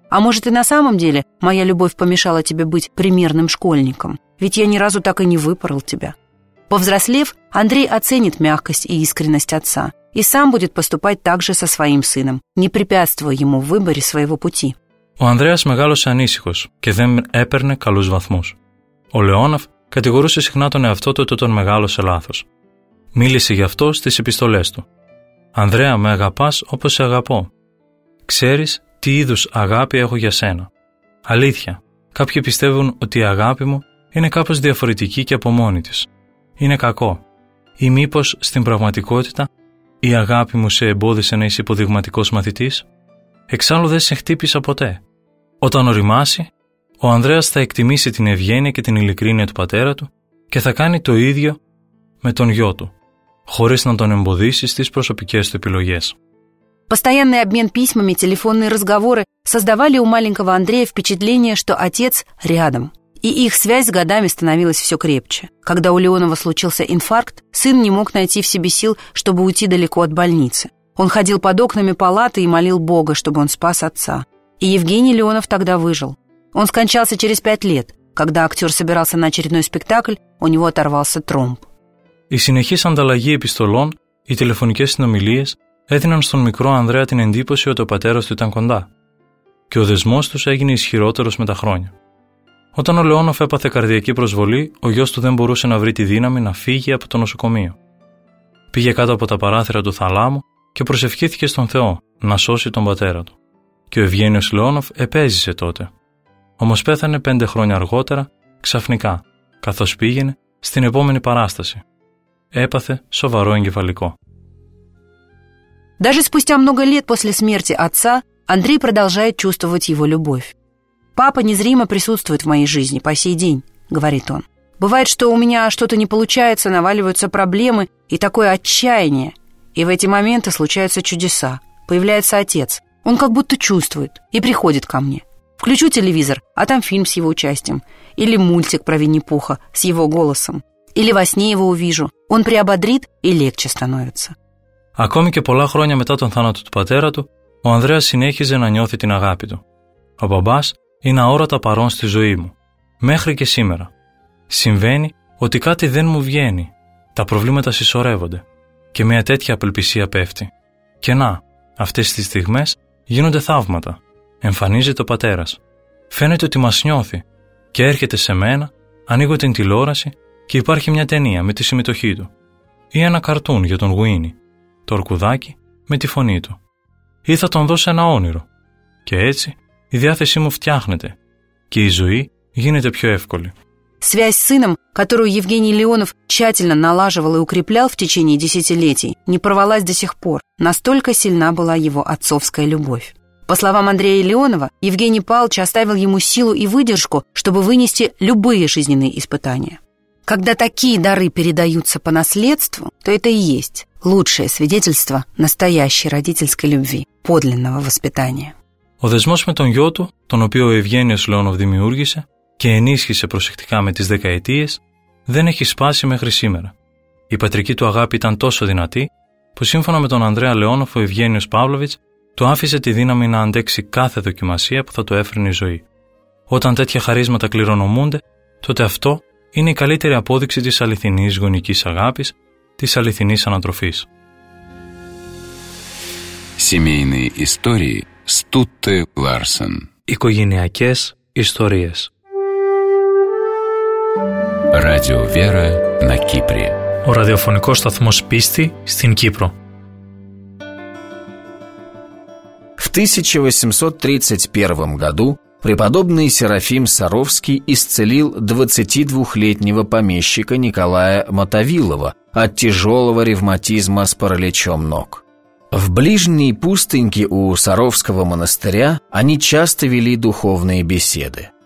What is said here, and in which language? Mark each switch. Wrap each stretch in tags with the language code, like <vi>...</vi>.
<ru>А может, и на самом деле моя любовь помешала тебе быть примерным школьником? Ведь я ни разу так и не выпорол тебя». Повзрослев, Андрей оценит мягкость и искренность отца и сам будет поступать так же со своим сыном, не препятствуя ему в выборе своего пути.</ru> <el>Ο Ανδρέας μεγάλωσε ανήσυχος και δεν έπαιρνε καλούς βαθμούς. Ο Λεόναφ κατηγορούσε συχνά τον εαυτό του ότι τον μεγάλωσε λάθος. Μίλησε γι' αυτό στις επιστολές του. «Ανδρέα, με αγαπάς όπως σε αγαπώ. Ξέρεις τι είδους αγάπη έχω για σένα. Αλήθεια, κάποιοι πιστεύουν ότι η αγάπη μου είναι κάπως διαφορετική και από μόνη της. Είναι κακό. Ή μήπως στην πραγματικότητα η αγάπη μου σε εμπόδισε να είσαι υποδειγματικός μαθητής? Εξάλλου δεν σε χτύπησα ποτέ. Όταν οριμάσει, ο Ανδρέας θα εκτιμήσει την ευγένεια και την ειλικρίνεια του πατέρα του και θα κάνει το ίδιο με τον γιο του, χωρίς να τον εμποδίσει στις προσωπικές του επιλογές».</el> <ru>Постоянный обмен письмами, телефонные разговоры создавали у маленького Андрея впечатление, что отец рядом. И их связь с годами становилась все крепче. Когда у Леонова случился инфаркт, сын не мог найти в себе сил, чтобы уйти далеко от больницы. Он ходил под окнами палаты и молил Бога, чтобы он спас отца. И Евгений Леонов тогда выжил. Он скончался через 5 лет. Когда актер собирался на очередной спектакль, у него оторвался тромб.</ru> <el>Οι συνεχείς ανταλλαγές επιστολών, οι τηλεφωνικές συνομιλίες έδιναν στον μικρό Ανδρέα την εντύπωση ότι ο πατέρας του ήταν κοντά. Και ο δεσμός τους έγινε ισχυρότερος με τα χρόνια. Όταν ο Λεόνοφ έπαθε καρδιακή προσβολή, ο γιος του δεν μπορούσε να βρει τη δύναμη να φύγει από το νοσοκομείο. Πήγε κάτω από τα παράθυρα του θαλάμου και προσευχήθηκε στον Θεό να σώσει τον πατέρα του. Και ο Ευγένιος Λεόνοφ επέζησε τότε. Όμως πέθανε 5 χρόνια αργότερα, ξαφνικά, καθώς πήγαινε στην επόμενη παράσταση. Έπαθε σοβαρό εγκεφαλικό.</el> <ru>Даже спустя много лет после смерти отца Андрей продолжает чувствовать его любовь. «Папа незримо присутствует в моей жизни по сей день», — говорит он. «Бывает, что у меня что-то не получается, наваливаются проблемы и такое отчаяние. И в эти моменты случаются чудеса. Появляется отец. Он как будто чувствует и приходит ко мне. Включу телевизор, а там фильм с его участием. Или мультик про Винни-Пуха с его голосом. Или во сне его увижу. Он приободрит и легче становится».</ru> <el>Ακόμη και πολλά χρόνια μετά τον θάνατο του πατέρα του, ο Ανδρέας συνέχιζε να νιώθει την αγάπη του. «Ο μπαμπάς είναι αόρατα παρόν στη ζωή μου. Μέχρι και σήμερα. Συμβαίνει ότι κάτι δεν μου βγαίνει. Τα προβλήματα συσσωρεύονται. Και μια τέτοια απελπισία πέφτει. Και να, αυτές τις στιγμές γίνονται θαύματα. Εμφανίζεται ο πατέρας. Φαίνεται ότι μας νιώθει. Και έρχεται σε μένα, ανοίγω την τηλεόραση και υπάρχει μια ταινία με τη συμμετοχή του. Ή ένα καρτούν για τον Γουίνι. Το αρκουδάκι με τη φωνή του. Ή θα τον δω σε ένα όνειρο. Και έτσι η διάθεσή μου φτιάχνεται και η ζωή γίνεται πιο εύκολη».</el> <ru>Связь с сыном, которую Евгений Леонов тщательно налаживал и укреплял в течение десятилетий, не порвалась до сих пор. Настолько сильна была его отцовская любовь. По словам Андрея Леонова, Евгений Павлович оставил ему силу и выдержку, чтобы вынести любые жизненные испытания. Когда такие дары передаются по наследству, то это и есть лучшее свидетельство настоящей родительской любви, подлинного воспитания.</ru> <el>Ο δεσμός με τον γιο του, τον οποίο ο Ευγένιος Λεόνοφ δημιούργησε και ενίσχυσε προσεκτικά με τις δεκαετίες, δεν έχει σπάσει μέχρι σήμερα. Η πατρική του αγάπη ήταν τόσο δυνατή, που σύμφωνα με τον Ανδρέα Λεόνοφ, ο Ευγένιος Παύλοβιτς του άφησε τη δύναμη να αντέξει κάθε δοκιμασία που θα το έφερνε η ζωή. Όταν τέτοια χαρίσματα κληρονομούνται, τότε αυτό είναι η καλύτερη απόδειξη της αληθινής γονικής αγάπης, της αληθινής ανατροφής.</el> <ru>Семейные истории Стутте Ларсен.</ru> <el>Οικογενειακές ιστορίες.</el> <ru>Radio Vera на Кипре.</ru> <el>Ο ραδιοφωνικός σταθμός πίστη στην Κύπρο.</el> <ru>В 1831 году преподобный Серафим Саровский исцелил 22-летнего помещика Николая Мотовилова от тяжелого ревматизма с параличом ног. В ближней пустыньке у Саровского монастыря они часто вели духовные беседы.</ru>